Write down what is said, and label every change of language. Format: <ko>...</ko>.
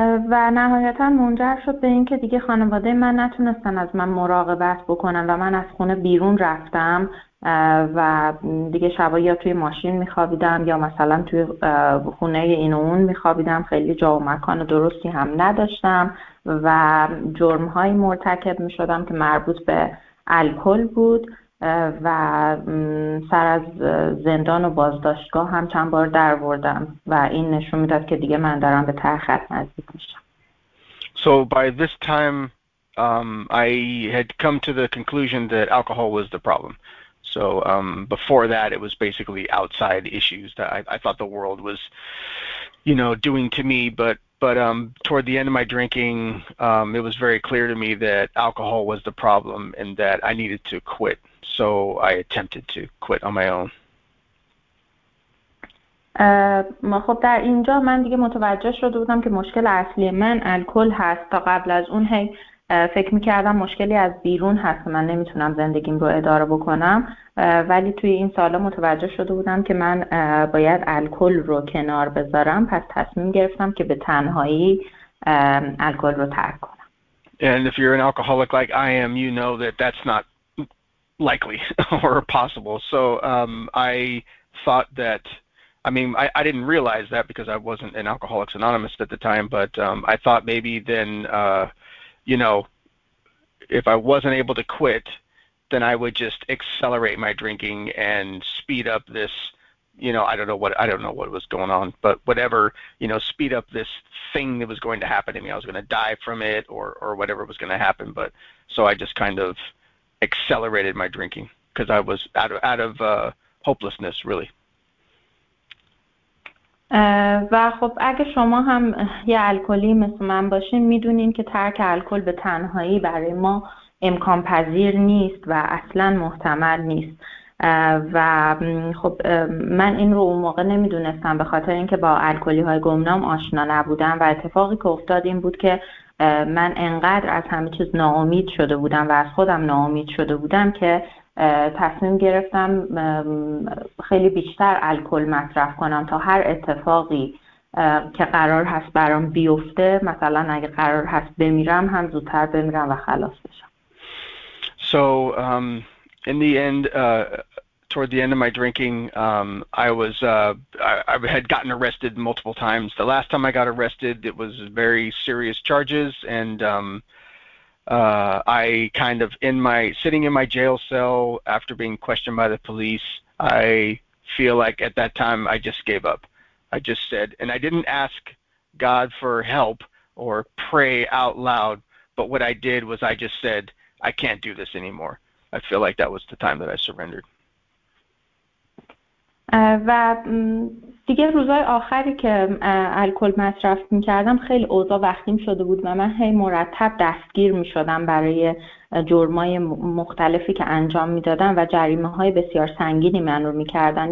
<fa>و نهایتا منجر شد به این که دیگه خانواده من نتونستن از من مراقبت بکنن و من از خونه بیرون رفتم و دیگه شبا یا توی ماشین میخوابیدم یا مثلا توی خونه این و اون میخوابیدم، خیلی جا و مکان درستی هم نداشتم و جرمهایی مرتکب میشدم که مربوط به الکل بود و سر از زندان و بازداشتگاه هم چند بار در آوردم و این نشون میداد که دیگه من دارم به ته خط نزدیک میشم.</fa> <en>So by this time I had come to the conclusion that alcohol was the problem. So before that it was basically outside issues that I thought the world was, you know, doing to me, but toward the end of my drinking it was very clear to me that alcohol was the problem and that I needed to quit. So I attempted to quit on my own.</en> <fa>خب در اینجا من دیگه متوجه شده بودم که مشکل اصلی من الکل هست. تا قبل از اون هی فکر میکردم مشکلی از بیرون هست که من نمیتونم زندگیم رو اداره بکنم، ولی توی این سالا متوجه شده بودم که من باید الکل رو کنار بذارم، پس تصمیم گرفتم که به تنهایی الکل رو ترک کنم.</fa> <en>And if you're an alcoholic like I am, you know that that's not likely or possible. So I thought that, I mean, I didn't realize that because I wasn't an Alcoholics Anonymous at the time, but I thought maybe then, you know, if I wasn't able to quit, then I would just accelerate my drinking and speed up this, you know, I don't know what was going on, but whatever, you know, speed up this thing that was going to happen to me. I was going to die from it or whatever was going to happen. But so I just kind of accelerated my drinking because I was out of hopelessness, really.</en> <fa>و خب اگه شما هم یه الکلی مثل من باشین، میدونین که ترک الکل به تنهایی برای ما امکان پذیر نیست و اصلا محتمل نیست. و خب من این رو اون موقع نمیدونستم به خاطر اینکه با الکلی های گمنام آشنا نبودم، و اتفاقی که افتاد این بود که من انقدر از همه چیز ناامید شده بودم و از خودم ناامید شده بودم که تصمیم گرفتم خیلی بیشتر الکل مصرف کنم تا هر اتفاقی که قرار هست برام بیفته، مثلا اگه قرار هست بمیرم هم زودتر بمیرم و خلاص بشم.</fa> <en>So in the end, toward the end of my drinking, I had gotten arrested multiple times. The last time I got arrested, it was very serious charges, and I kind of sitting in my jail cell after being questioned by the police, I feel like at that time I just gave up. I just said, and I didn't ask God for help or pray out loud, but what I did was I just said, I can't do this anymore. I feel like that was the time that I surrendered.</en> <fa>و دیگه روزای آخری که الکل مصرف می کردم خیلی اوضاع وخیم شده بود و من هی مرتب دستگیر می شدم برای جرمای مختلفی که انجام می دادم و جریمه های بسیار سنگینی من رو می کردن.</fa>